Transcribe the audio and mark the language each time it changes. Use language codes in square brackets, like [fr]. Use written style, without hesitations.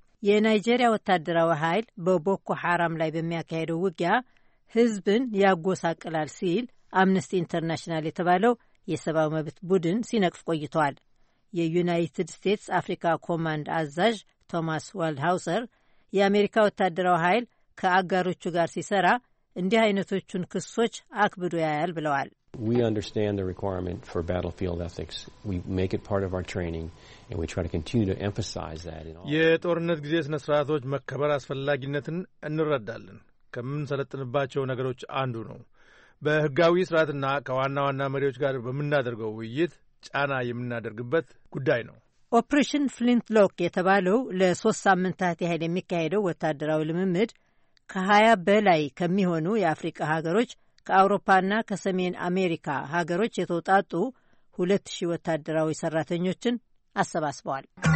[am] የናይጄሪያ ወታደራዊ ኃይል በቦኮ ሐራም ላይ በሚያካሄደው ውጊያ ህዝብን ያጎሳቅላል ሲል አምነስቲ ኢንተርናሽናል የተባለው የሰብአዊ መብት ቡድን ሲነቅፍ ቆይቷል። የዩናይትድ ስቴትስ አፍሪካ ኮማንድ አዛዥ ቶማስ ዋልድሃውሰር የአሜሪካ ወታደራዊ ኃይል ከአጋሮቹ ጋር ሲሰራ እንዲህ አይነቶቹን ክሶች አክብዶ ያያል ብለዋል። [en] We understand the requirement for battlefield ethics. We make it part of our training and we try to continue to emphasize that in all. [am] የጦርነት ጊዜ ስነ ስርዓቶች መከበር አስፈላጊነትን እንረዳለን። ከምንሰለጥንባቸው ነገሮች አንዱ ነው። በህጋዊ ስርዓትና ከዋና ዋና መሪዎች ጋር በመናደርገው ውይይት ጫና የምናደርግበት ጉዳይ ነው። ኦፕሬሽን ፍሊንትሎክ የተባለው ለሶስት ሳምንታት ያህል የሚካሄደው ወታደራዊ ልምምድ ከ20 በላይ ከሚሆኑ የአፍሪካ ሀገሮች ከአውሮፓና ከሰሜን አሜሪካ ሀገሮች የተውጣጡ 2000 ወታደራዊ ሰራተኞችን አሰባስበዋል።